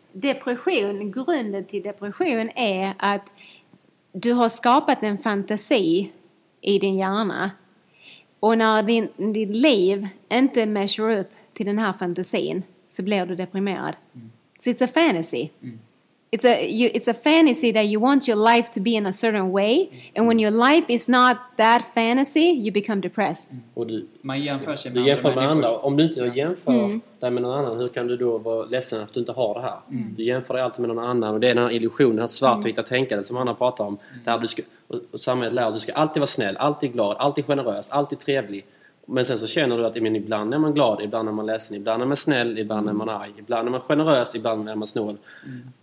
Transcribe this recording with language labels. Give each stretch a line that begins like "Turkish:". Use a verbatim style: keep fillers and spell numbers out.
Swedish: Depression, grunden till depression är att du har skapat en fantasi i din hjärna och när din, ditt liv inte matchar upp till den här fantasin så blir du deprimerad. Mm.
English: Så it's a fantasy.
Swedish: Mm.
English: It's a you, it's a fantasy that you want your life to be in a certain way, and when your life is not that fantasy, you become depressed. Mm.
Swedish: Och du, man jämför sig med, du jämför med andra. Om du inte jämför mm. dig med någon annan, hur kan du då vara ledsen att du inte har det här? Mm. Du jämför dig alltid med någon annan, och det är den här illusionen, det här svartvita mm. tänkandet som Anna pratar om. Mm. Där du ska, och, och samhället lär oss, du ska alltid vara snäll, alltid glad, alltid generös, alltid trevlig. Men sen så känner du att men, ibland är man glad, ibland är man ledsen, ibland är man snäll, ibland är man arg, ibland är man generös, ibland är man snål. Mm.